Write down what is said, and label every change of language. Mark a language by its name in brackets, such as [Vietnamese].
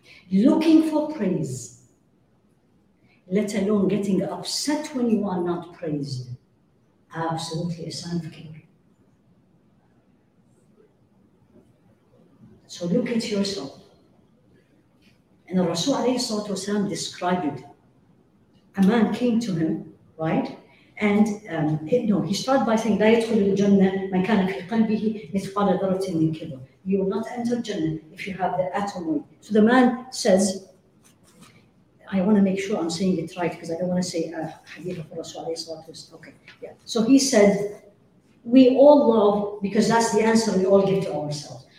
[English] Looking for praise. Let alone getting upset when you are not praised. Absolutely a sign of king. So look at yourself. And the Rasul alayhi salatu wasalam described it. A man came to him, right? And he started by saying, [Arabic] دَيَدْخُلُ الْجَنَّةِ مَنْ كَانَ فِي قَلْبِهِ مِثْقَالَ ذَرَةٍ مِنْ كِبْرٍ. [English] You will not enter Jannah if you have the atom weight. So the man says, I want to make sure I'm saying it right because I don't want to say hadith of Rasul alayhi salatu wasalam. Okay, yeah. So he said, we all love, because that's the answer we all give to ourselves.